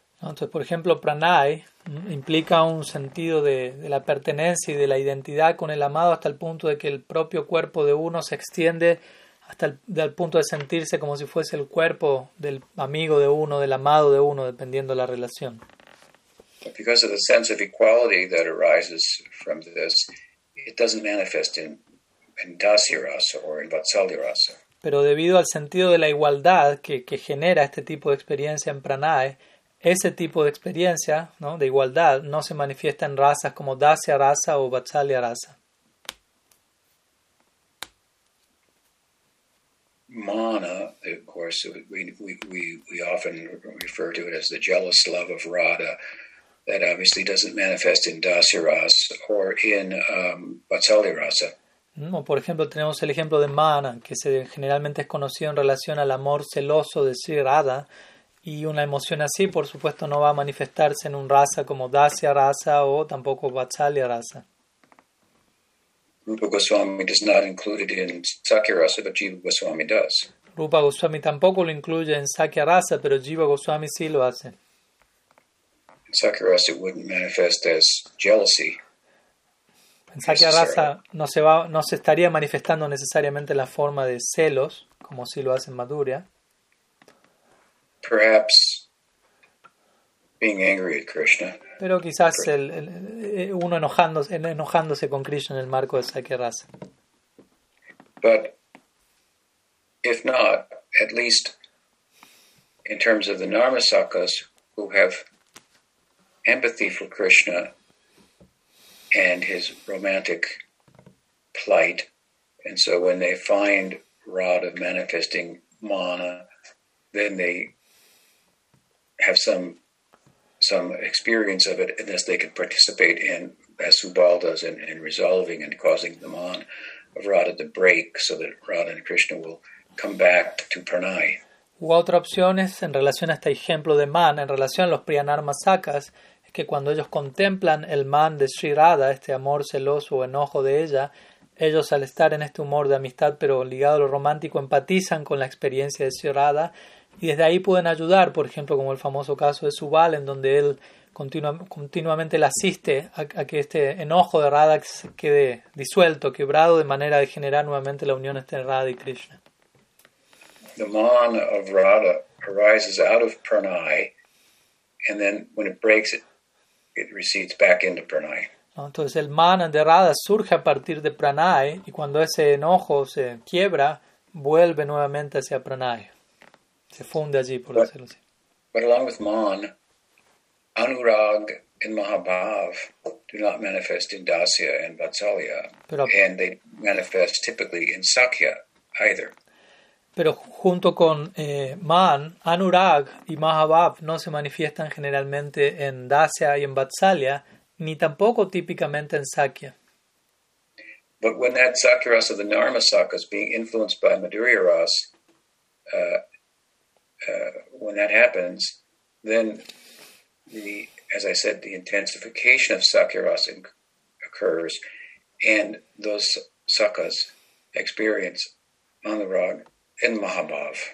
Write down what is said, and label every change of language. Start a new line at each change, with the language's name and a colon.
Spanish: Entonces, por ejemplo, pranay implica un sentido de la pertenencia y de la identidad con el amado hasta el punto de que el propio cuerpo de uno se extiende hasta el punto de sentirse como si fuese el cuerpo del amigo de uno, del amado de uno, dependiendo de la relación.
English: Because of the sense of equality that arises from this, it doesn't manifest in dasya rasa or in vatsalya rasa.
Spanish: Pero debido al sentido de la igualdad que genera este tipo de experiencia en pranay, ese tipo de experiencia, ¿no?, de igualdad, no se manifiesta en razas como dasya rasa o vatsalya rasa.
English: Mana, of course, we often refer to it as the jealous love of Radha, that obviously doesn't manifest in dasya rasa or in vatsalya rasa.
Spanish: Por ejemplo, tenemos el ejemplo de mana, que generalmente es conocido en relación al amor celoso de Sri Radha, y una emoción así, por supuesto, no va a manifestarse en un rasa como dasya rasa o tampoco vatsalya rasa.
English: Rupa Goswami does not include it in Sakya Rasa, but Jiva Goswami does.
Spanish: Rupa Goswami tampoco lo incluye en Sakya Rasa, pero Jiva Goswami sí lo hace.
English: In Sakya Rasa, it wouldn't manifest as jealousy.
Spanish: En Sakya Rasa no se estaría manifestando necesariamente la forma de celos, como sí lo hace en Madhurya.
English: Perhaps being angry at Krishna.
Spanish: Pero quizás uno enojándose con Krishna en el marco de Sakya Rasa.
English: But if not, at least in terms of the Narmasakas who have empathy for Krishna and his romantic plight, and so when they find Radha manifesting mana, then they have some experience of it, and thus they can participate in, as Subal does, in resolving and causing the man of Radha to break so that Radha and Krishna will come back to pranay.
Spanish: U otra opción es, en relación a este ejemplo de man, en relación a los Priyanarmasakas, es que cuando ellos contemplan el man de Sri Radha, este amor celoso o enojo de ella, ellos al estar en este humor de amistad pero ligado a lo romántico empatizan con la experiencia de Sri Radha y desde ahí pueden ayudar, por ejemplo como el famoso caso de Subal, en donde él continuamente le asiste a que este enojo de Radha quede disuelto, quebrado, de manera de generar nuevamente la unión entre Radha y Krishna.
English: The man of Radha arises out of pranay, and then when it breaks it, it recedes back into pranay.
Spanish: Entonces el mana de Radha surge a partir de pranay, y cuando ese enojo se quiebra, vuelve nuevamente hacia pranay. Se funde allí, por decirlo así.
English: But along with man, anurag and mahabhav do not manifest in dasya and vatsalya, and they manifest typically in sakya either.
Spanish: Pero junto con man, anurag y mahabhav no se manifiestan generalmente en dasya y en vatsalya, ni tampoco típicamente en Sakya.
English: But when that Sakya Rasa of the Narmasaka is being influenced by Madhurya Rasa, when that happens, then the, as I said, the intensification of Sakya Rasa occurs, and those sakas experience Anurag and Mahabhav.